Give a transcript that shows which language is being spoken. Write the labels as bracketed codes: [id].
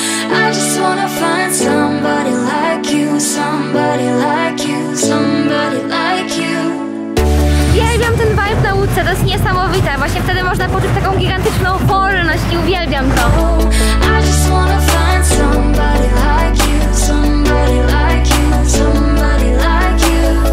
[en] I just wanna find somebody like you, somebody like you, somebody like you. [pl] Ja uwielbiam ten vibe na łódce, to jest niesamowite. Właśnie wtedy można poczuć taką gigantyczną wolność i uwielbiam to. [en] I just wanna find somebody like you, somebody like you, somebody like you.